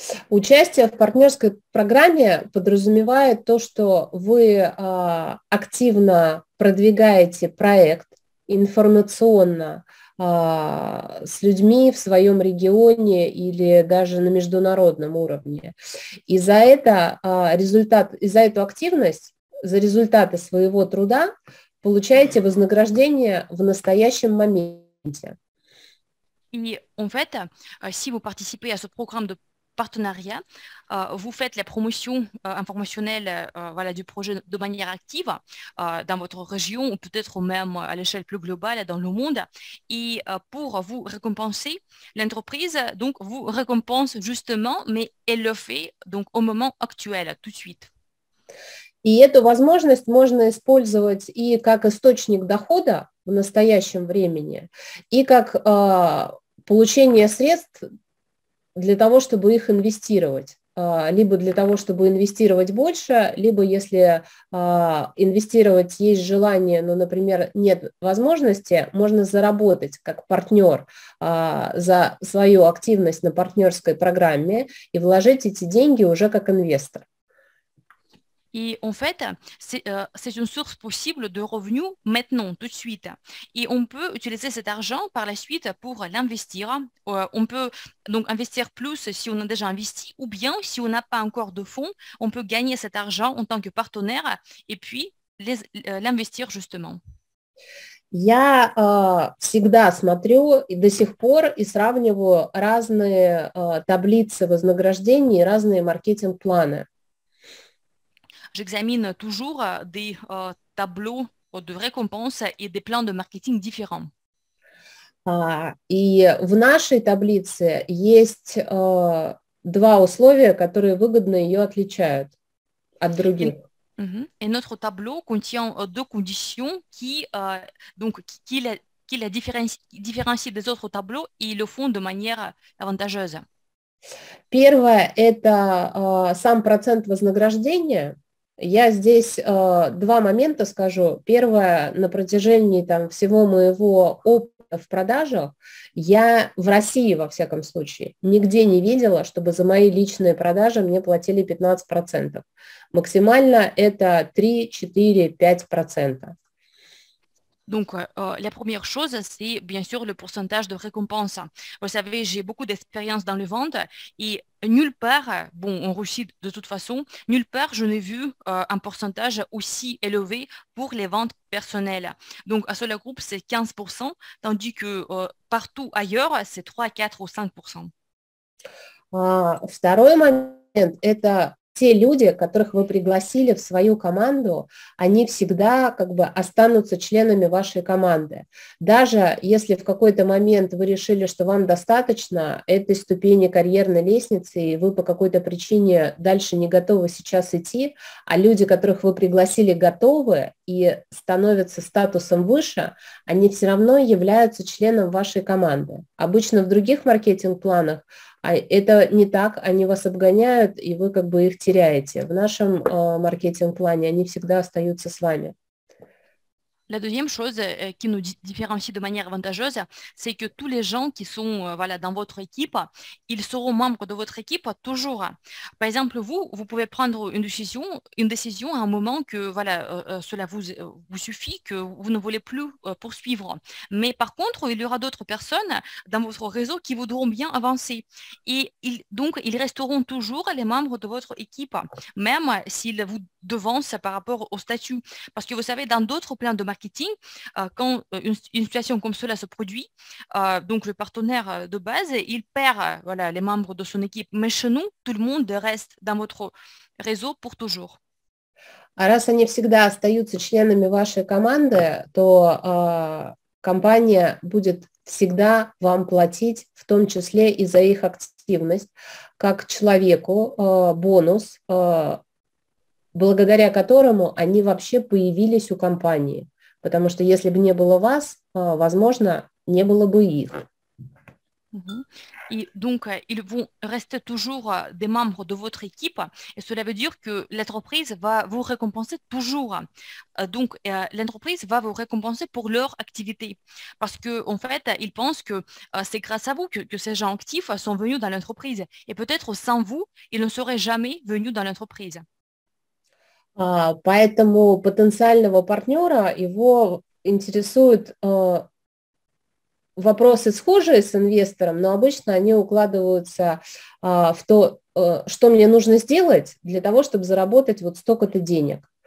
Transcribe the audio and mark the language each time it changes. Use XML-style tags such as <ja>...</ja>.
<ru>Участие в партнерской программе подразумевает то, что вы активно продвигаете проект информационно, с людьми в своем регионе или даже на международном уровне. И за это результат, и за эту активность, за результаты своего труда получаете вознаграждение в настоящем моменте.</ru> <fr>И, en fait, si vous participez à ce programme de partenariat, vous faites la promotion informationnelle voilà, du projet de manière active dans votre région ou peut-être même à l'échelle plus globale dans le monde. Et pour vous récompenser, l'entreprise donc, vous récompense justement, mais elle le fait donc, au moment actuel, tout de suite.</fr> <ru>И эту возможность можно использовать и как источник дохода в настоящем времени, и как получение средств для того, чтобы их инвестировать. Либо для того, чтобы инвестировать больше, либо если инвестировать есть желание, но, например, нет возможности, можно заработать как партнер за свою активность на партнерской программе и вложить эти деньги уже как инвестор.</ru> <fr>Et en fait, c'est une source possible de revenus maintenant, tout de suite. Et on peut utiliser cet argent par la suite pour l'investir. On peut donc investir plus si on a déjà investi, ou bien si on n'a pas encore de fonds, on peut gagner cet argent en tant que partenaire et puis l'investir justement.</fr> <ru>Я всегда смотрю и до сих пор и сравниваю разные таблицы вознаграждений, разные маркетинг-планы.</ru> <fr>J'examine toujours des tableaux de récompenses et des plans de marketing différents.</fr> <ru>И в нашей таблице есть два условия, которые выгодно ее отличают от других.</ru> <fr>Et notre tableau contient deux conditions qui la différencie des autres tableaux et le font de manière avantageuse.</fr> <ru>Первое – это сам процент вознаграждения. Я здесь два момента скажу. Первое, на протяжении там, всего моего опыта в продажах, я в России, во всяком случае, нигде не видела, чтобы за мои личные продажи мне платили 15%. Максимально это 3-4-5%.</ru> <fr>Donc, la première chose, c'est bien sûr le pourcentage de récompense. Vous savez, j'ai beaucoup d'expérience dans le vente et nulle part, bon, en Russie de toute façon, nulle part je n'ai vu un pourcentage aussi élevé pour les ventes personnelles. Donc, à Solar Group, c'est 15%, tandis que partout ailleurs, c'est 3, 4 ou 5%.</fr> <ru>Второй момент, это... Те люди, которых вы пригласили в свою команду, они всегда как бы останутся членами вашей команды. Даже если в какой-то момент вы решили, что вам достаточно этой ступени карьерной лестницы, и вы по какой-то причине дальше не готовы сейчас идти, а люди, которых вы пригласили, готовы и становятся статусом выше, они все равно являются членом вашей команды. Обычно в других маркетинг-планах а это не так, они вас обгоняют, и вы как бы их теряете. В нашем маркетинг-плане они всегда остаются с вами.</ru> <fr>La deuxième chose qui nous différencie de manière avantageuse, c'est que tous les gens qui sont voilà, dans votre équipe, ils seront membres de votre équipe toujours. Par exemple, vous, vous pouvez prendre une décision à un moment que voilà, cela vous suffit, que vous ne voulez plus poursuivre. Mais par contre, il y aura d'autres personnes dans votre réseau qui voudront bien avancer. Et ils resteront toujours les membres de votre équipe, même s'ils vous devancent par rapport au statut. Parce que vous savez, dans d'autres plans de marketing, quand une situation comme cela se produit, donc le partenaire de base, il perd voilà, les membres de son équipe. Mais chez nous, tout le monde reste dans votre réseau pour toujours.</fr> <ru>А раз они всегда остаются членами вашей команды, то компания будет всегда вам платить, в том числе и за их активность, как человеку бонус, благодаря которому они вообще появились у компании. Потому что если бы не было вас, возможно, не было бы их. И</ru> <fr>donc ils vont rester toujours des membres de votre équipe et cela veut dire que l'entreprise va vous récompenser toujours. Donc l'entreprise va vous récompenser pour leur activité parce que en fait, ils pensent que c'est grâce à vous que ces gens actifs sont venus dans l'entreprise et peut-être sans vous, ils ne seraient jamais venus dans l'entreprise.</fr> <ru>Поэтому потенциального партнера его интересует вопросы схожие с инвестором, но обычно они укладываются в то, что мне нужно сделать для того, чтобы заработать вот столько-то денег.</ru>